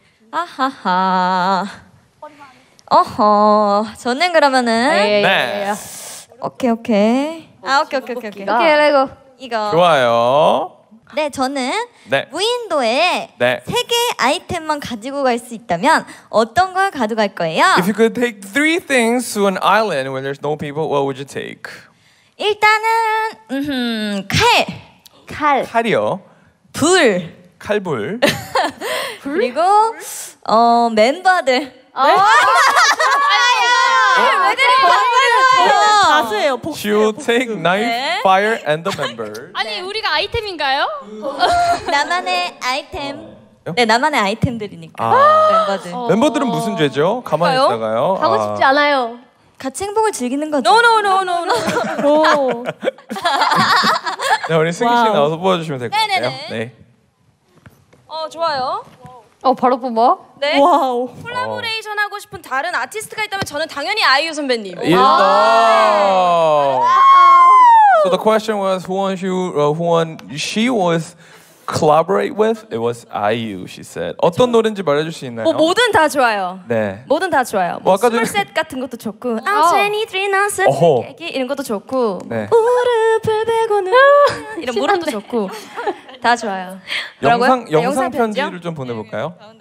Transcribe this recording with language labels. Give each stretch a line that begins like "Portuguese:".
Korean: 아하하. 어허. 저는 그러면은. 네.
English: 오케이, 오케이. 오케이, 오케이, 오케이. 오케이, 레고.
Korean: 이거. 좋아요. 네, 저는 네. 무인도에 네. 세 개의 아이템만 가지고 갈 수 있다면 어떤 걸 가져갈 거예요?
English: If you could take three things to an island where there's no people, what would you take?
Korean: 일단은 칼. 칼. 칼이요. 불. 칼불. 그리고 멤버들.
English: She will take knife, fire, and the member.
Korean: 아니 우리가 아이템인가요? 나만의 아이템. 네, 나만의 아이템들이니까. 멤버들. 멤버들은 무슨 죄죠? 가만히 있다가요? 가고 싶지 않아요. 같이 행복을 즐기는 거죠.
English: No, no, no, no, no.
Korean: 네, 우리 승희 씨 나와서 뽑아주시면 될 것 같아요. 네. 좋아요. 바로 뽑아? 네. 와우. 콜라보레이션 하고 싶은 다른 아티스트가 있다면 저는 당연히 아이유 선배님. 와.
English: So the question was who she was collaborate with? It was IU. She said.
Korean: 어떤 노래인지 말해줄 수 있나요? 모든 다 좋아요. 네. 모든 다 좋아요. 스몰셋 같은 것도 좋고.
English: I'm 23 nonsense.
Korean: 깨기 이런 것도 좋고. 네. 무릎을 베고는 이런 무릎도 좋고. 다 좋아요. 영상 영상 편지를 좀 보내볼까요?